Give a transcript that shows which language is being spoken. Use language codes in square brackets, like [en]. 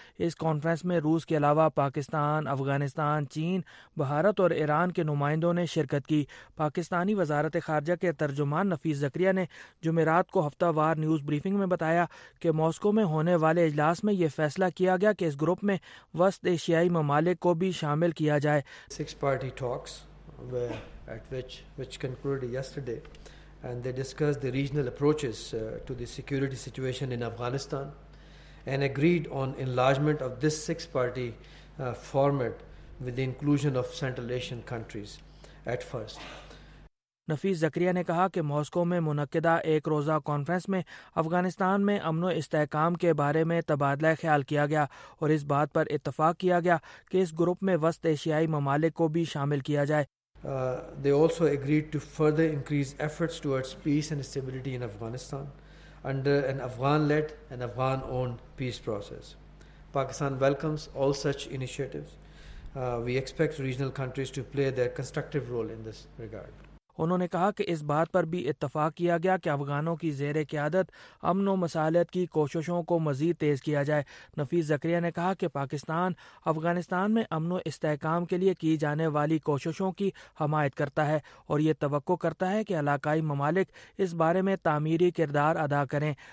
[ur] اس conference میں روس کے علاوہ پاکستان, افغانستان, چین, بھارت اور ایران کے نمائندوں نے شرکت کی. پاکستانی وزارت خارجہ کے ترجمان نفیس زکریا نے جمعرات کو ہفتہ وار نیوز بریفنگ میں بتایا کہ ماسکو میں ہونے والے اجلاس میں یہ فیصلہ کیا گیا کہ اس گروپ میں وسط ایشیائی ممالک کو بھی شامل کیا جائے. [en] 6 party talks which concluded yesterday, and they discussed the regional approaches to the security situation in Afghanistan and agreed on enlargement of this 6-party format with the inclusion of Central Asian countries at first. [ur] نفیس زکریا نے کہا کہ Moscow میں منعقدہ ایک روزہ conference میں افغانستان میں امن و استحکام کے بارے میں تبادلہ خیال کیا گیا اور اس بات پر اتفاق کیا گیا کہ اس گروپ میں وسط ایشیائی ممالک کو بھی شامل کیا جائے. [en] They also agreed to further increase efforts towards peace and stability in Afghanistan under an Afghan-led and Afghan-owned peace process. Pakistan welcomes all such initiatives. We expect regional countries to play their constructive role in this regard. [ur] انہوں نے کہا کہ اس بات پر بھی اتفاق کیا گیا کہ افغانوں کی زیر قیادت امن و مصالحت کی کوششوں کو مزید تیز کیا جائے. نفیس زکریا نے کہا کہ پاکستان افغانستان میں امن و استحکام کے لیے کی جانے والی کوششوں کی حمایت کرتا ہے اور یہ توقع کرتا ہے کہ علاقائی ممالک اس بارے میں تعمیری کردار ادا کریں.